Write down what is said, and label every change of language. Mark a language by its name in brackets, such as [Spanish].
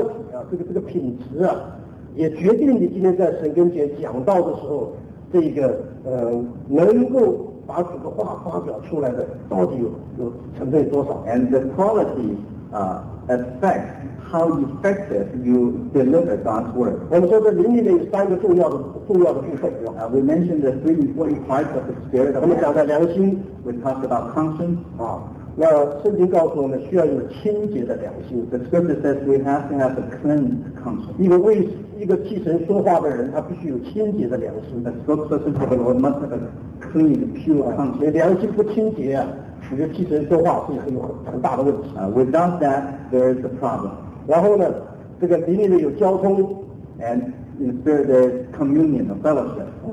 [Chinese] 所以灵里面的这个quality啊，这个品质啊, 也决定你今天在神跟前讲道的时候，这个 能够把主的话发表出来的到底有成分多少。 [English] And the quality affect how effective you deliver God's word. [Chinese] 我们说这灵里面有三个重要的部分。 [English] We mentioned the three important parts of the spirit. [Chinese] 我们讲到良心。 [English] We talked about conscience. [Chinese] 那圣经告诉我们需要有清洁的良心。 [English] The scripture says we have to have a clean conscience. [Chinese] 一个为一个替神说话的人，他必须有清洁的良心。 [English] The spokesperson for the Lord must have a clean, pure conscience. [Chinese] 良心不清洁啊。你就替神说话是一个很大的问题。 [English] Without that, there is a problem. [Chinese] 然后呢，这个灵里面有交通， [English] and in spirit there is communion of fellowship.